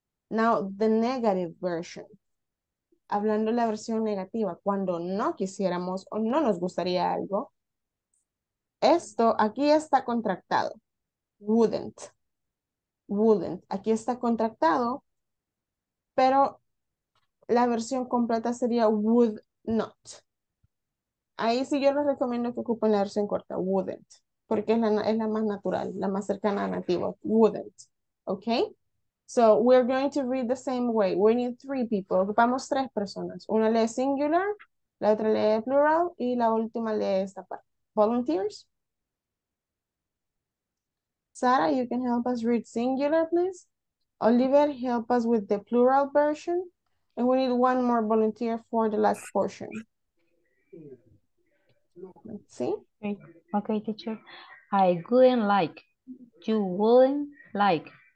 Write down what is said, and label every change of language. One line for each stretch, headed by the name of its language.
English: Now, the negative version.
Spanish: Hablando la versión negativa, cuando no quisiéramos o no nos gustaría algo, esto aquí está contractado. Wouldn't. Wouldn't. Aquí está contractado, pero la versión completa sería would not. Ahí sí yo les recomiendo que ocupen la versión corta, wouldn't, porque es la más natural, la más cercana a nativo, wouldn't.
English: Okay? So we're going to read the same way. We need three people.
Spanish: Ocupamos tres personas. Una lee singular, la otra lee plural y la última lee esta parte.
English: Volunteers? Sara, you can help us read singular, please. Oliver, help us with the plural version. And we need one more volunteer for the last portion. Let's see. Okay, teacher. I wouldn't like. You wouldn't like.